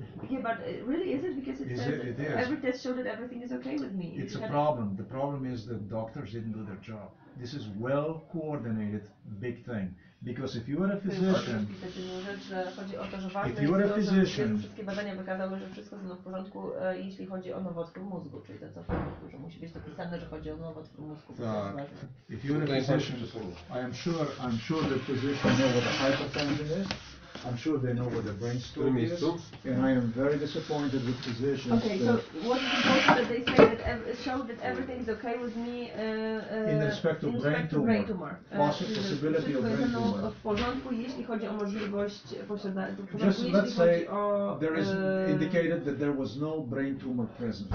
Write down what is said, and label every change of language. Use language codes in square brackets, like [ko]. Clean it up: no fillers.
[en] Yeah, but really, is it? Because it says every test showed that everything is okay with me. It's a problem. The problem is that doctors didn't do their job. This is well coordinated big thing. Because if you are a physician, if you are a physician, [pl] wszystkie badania wykazały, że wszystko jest w porządku, jeśli chodzi o nowotwór mózgu, czyli to co w porządku, że musi być dopisane, że chodzi o nowotwór mózgu. Tak. [en] If you are a physician, I'm sure the physician know what a hypertension is. I'm sure they know what the brainstorm is, and I am very disappointed with physicians. Okay, so what is the that they say that showed that everything is okay with me indicated that there was no brain tumor present.